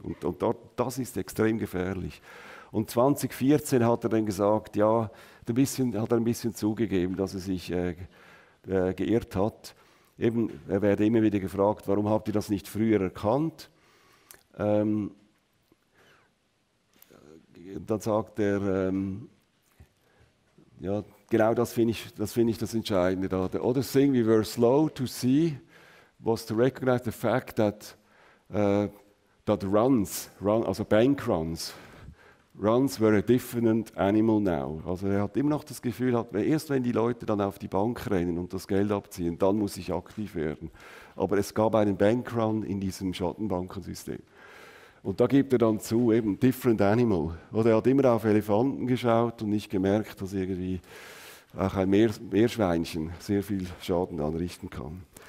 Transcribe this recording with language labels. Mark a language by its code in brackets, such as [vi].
[de] Und dort, das ist extrem gefährlich. Und 2014 hat er dann gesagt, ja, hat er ein bisschen zugegeben, dass er sich geirrt hat. Eben, er werde immer wieder gefragt, warum habt ihr das nicht früher erkannt? Dann sagt er, ja, genau das finde ich das Entscheidende da. [en] The other thing we were slow to see was to recognize the fact that bank runs were a different animal now. [de] Also er hat immer noch das Gefühl, erst wenn die Leute dann auf die Bank rennen und das Geld abziehen, dann muss ich aktiv werden. Aber es gab einen Bankrun in diesem Schattenbankensystem. Und da gibt er dann zu, eben, [en] different animal. [de] Oder er hat immer auf Elefanten geschaut und nicht gemerkt, dass irgendwie auch ein Meerschweinchen sehr viel Schaden anrichten kann.